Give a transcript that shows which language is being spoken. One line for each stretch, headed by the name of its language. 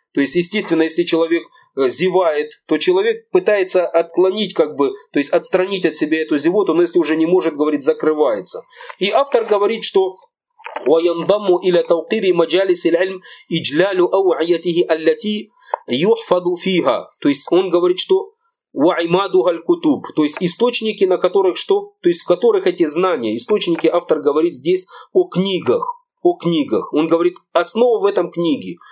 Russian: То есть, естественно, если человек зевает, то человек пытается отклонить, как бы, то есть отстранить от себя эту зевоту, но если уже не может говорить, закрывается. И автор говорит, что
Arabic: وينضم إلى توقير مجالس العلم إجلال أوعيته التي يحفظ فيها.
Russian: То есть он говорит, что
Arabic: وعمادها الكتب.
Russian: То есть источники, на которых что? То есть в которых эти знания, источники, автор говорит здесь о книгах. О книгах. Он говорит, основа в этом книге.